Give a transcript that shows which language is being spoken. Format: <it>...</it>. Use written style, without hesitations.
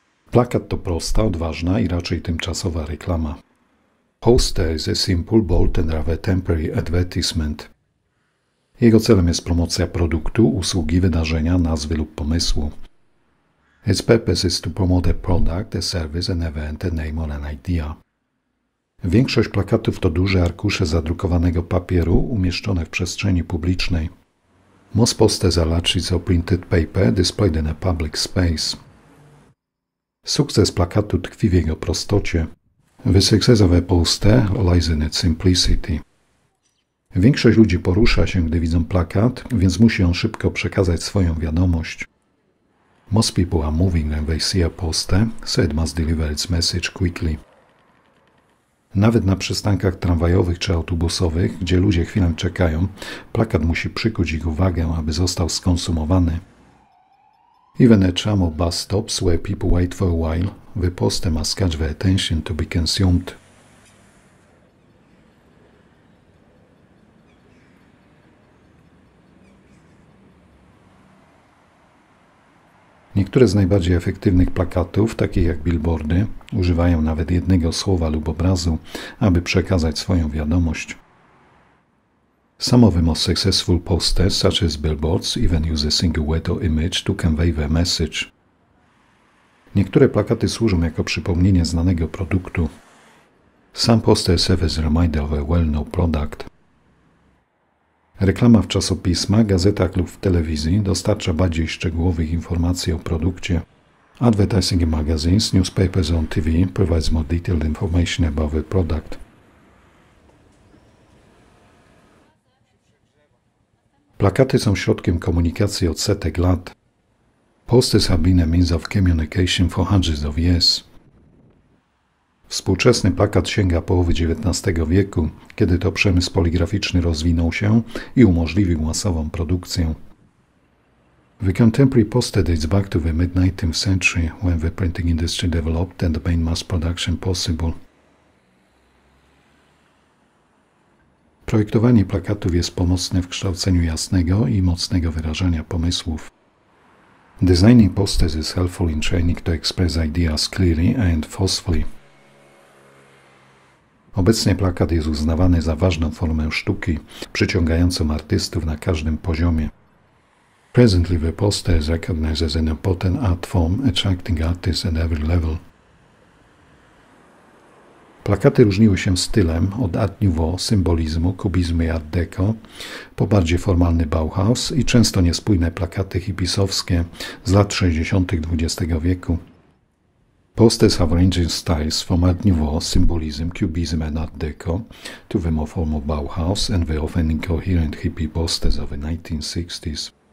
<pl>Plakat to prosta, odważna i raczej tymczasowa reklama.</pl> <en>Poster is a simple, bold and rather temporary advertisement.</en> <pl>Jego celem jest promocja produktu, usługi, wydarzenia, nazwy lub pomysłu.</pl> <en>Its purpose is to promote a product, a service, an event, a name or an idea.</en> <pl>Większość plakatów to duże arkusze zadrukowanego papieru umieszczone w przestrzeni publicznej.</pl> <en>Most posters are large sheets of printed paper displayed in a public space.</en> <pl>Sukces plakatu tkwi w jego prostocie.</pl> <en>The success of a poster lies in its simplicity.</en> <pl>Większość ludzi porusza się, gdy widzą plakat, więc musi on szybko przekazać swoją wiadomość.</pl> <en>Most people are moving when they see a poster, so it must deliver its message quickly.</en> <pl>Nawet na przystankach tramwajowych czy autobusowych, gdzie ludzie chwilę czekają, plakat musi przykuć ich uwagę, aby został skonsumowany.</pl> <en>Even at tram or bus stops where people wait for a while, the poster must catch their attention to be consumed.</en> <pl>Niektóre z najbardziej efektywnych plakatów, takich jak billboardy, używają nawet jednego słowa lub obrazu, aby przekazać swoją wiadomość.</pl> <en>Some of the most successful posters, such as billboards, even use a single word or image to convey their message.</en> <pl>Niektóre plakaty służą jako przypomnienie znanego produktu.</pl> <en>Some posters serve as a reminder of a well-known product.</en> <pl>Reklama w czasopismach, gazetach lub w telewizji dostarcza bardziej szczegółowych informacji o produkcie.</pl> <en>Advertising in magazines, newspapers on TV provides more detailed information about the product.</en> <pl>Plakaty są środkiem komunikacji od setek lat.</pl> <en>Posters have been a means of communication for hundreds of years.</en> <pl>Współczesny plakat sięga połowy XIX wieku, kiedy to przemysł poligraficzny rozwinął się i umożliwił masową produkcję.</pl> <en>The contemporary poster dates back to the mid-19th century, when the printing industry developed and made mass production possible.</en> <pl>Projektowanie plakatów jest pomocne w kształceniu jasnego i mocnego wyrażania pomysłów.</pl> <en>Designing posters is helpful in training to express ideas clearly and forcefully.</en> <pl>Obecnie plakat jest uznawany za ważną formę sztuki, przyciągającą artystów na każdym poziomie.</pl> <en>Presently the poster is recognized as an important art form, attracting artists at every level.</en> <pl>Plakaty różniły się stylem od Art Nouveau, symbolizmu, kubizmu i Art Deco, po bardziej formalny Bauhaus i często niespójne plakaty hipisowskie z lat 60. XX wieku.</pl> <en>Posters have ranging styles from Art Nouveau, symbolism, cubism and Art Deco to the more formal Bauhaus and the often incoherent hippie posters of the 1960s.</en>